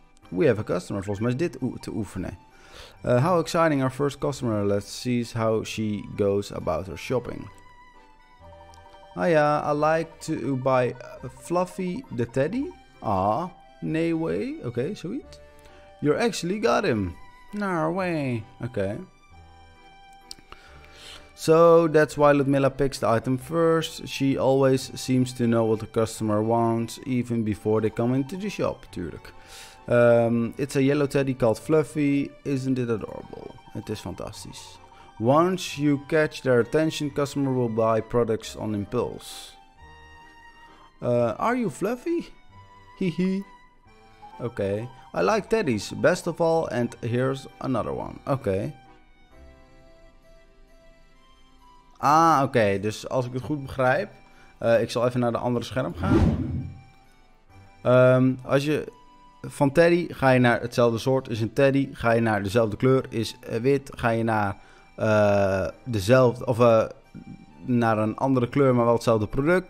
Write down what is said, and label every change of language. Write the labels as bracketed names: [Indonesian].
[English] We have a customer, [Dutch] volgens mij is dit te oefenen. [English] How exciting our first customer. Let's see how she goes about her shopping. Ah ja, I like to buy Fluffy the Teddy. Ah, nee way. Okay, sweet. You actually got him. No way. Okay. So that's why Ludmilla picks the item first. She always seems to know what the customer wants even before they come into the shop, tuurlijk. It's a yellow teddy called Fluffy. Isn't it adorable? It is fantastisch. Once you catch their attention, customer will buy products on impulse. Are you Fluffy? Hehe. Okay. I like teddies, best of all, and here's another one. Okay. Ah, okay. [Dutch] Dus als ik het goed begrijp, ik zal even naar de andere scherm gaan. Als je... Van teddy ga je naar hetzelfde soort is een teddy. Ga je naar dezelfde kleur is wit. Ga je naar dezelfde of naar een andere kleur, maar wel hetzelfde product.